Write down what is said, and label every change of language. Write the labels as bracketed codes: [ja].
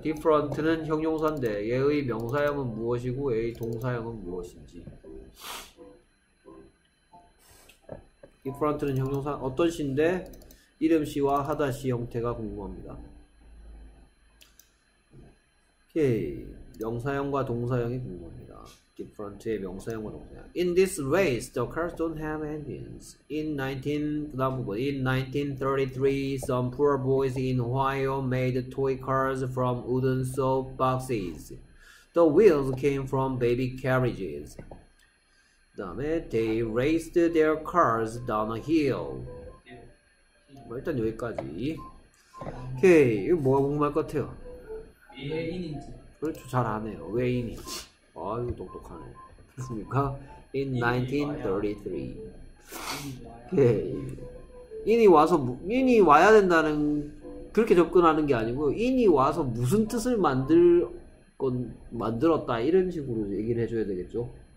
[ko] Different는 형용사인데 얘의 명사형은 무엇이고 얘의 동사형은 무엇인지. Different는 형용사 어떤 시인데 이름 시와 하다 시 형태가 궁금합니다. 오케이. 명사형과 동사형이 궁금합니다. Different의 명사형과 동사형. [en] In this race, the cars don't have engines. In 1933, some poor boys in Ohio made toy cars from wooden soap boxes. The wheels came from baby carriages. [ko] 다음에 [en] they raced their cars down a hill. [ko] 뭐 일단 여기까지. 오케이. 이거 뭐가 궁금할 것 같아요? 왜인인지. 그렇죠. 잘 아네요. 왜인인지. 아유 똑똑하네. 그렇습니까? [en] In 1933. [ko] 인이 와서 인이 와야 된다는 그렇게 접근하는 게 아니고 인이 와서 무슨 뜻을 만들었다 이런 식으로 얘기를 해줘야 되겠죠.